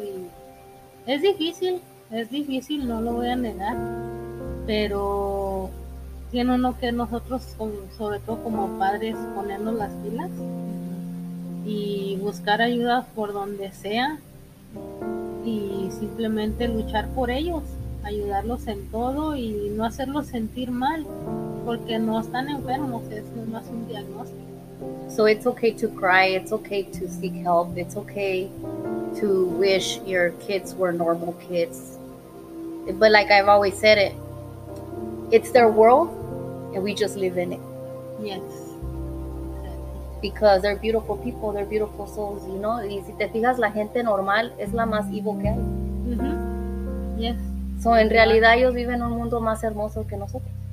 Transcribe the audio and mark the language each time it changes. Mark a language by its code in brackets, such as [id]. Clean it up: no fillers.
[es] Y es difícil, no lo voy a negar, pero tiene uno que nosotros, sobre todo como padres, ponernos las pilas y buscar ayuda por donde sea y simplemente luchar por ellos, ayudarlos en todo y no hacerlos sentir mal, porque no están enfermos, es nomás un diagnóstico. [en] So it's okay to cry, it's okay to seek help, it's okay to wish your kids were normal kids, but like I've always said it, it's their world and we just live in it. Yes. Because they're beautiful people, they're beautiful souls, you know? [es] Y si te fijas, la gente normal es la más evil que hay. [en] Mm-hmm. Yes. [es] So, en realidad, ellos viven un mundo más hermoso que nosotros.